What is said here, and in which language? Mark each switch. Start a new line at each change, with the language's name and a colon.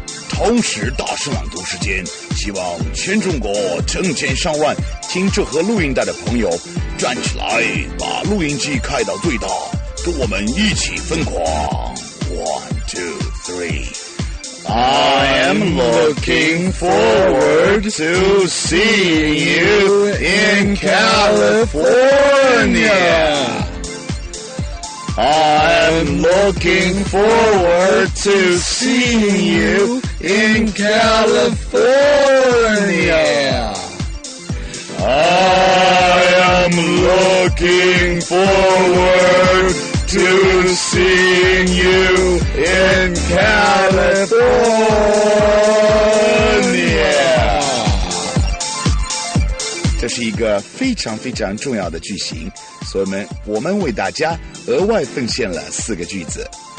Chinese: 同时大声朗读时间，希望全中国成千上万听这盒录音带的朋友站起来，把录音机开到最大，跟我们一起疯狂。
English: One, two, three. I am looking forward to seeing you in California. I'm looking forward to seeing you in California. I am looking forward to seeing you in California.
Chinese: 这是一个非常非常重要的句型，所以我们为大家额外奉献了四个句子。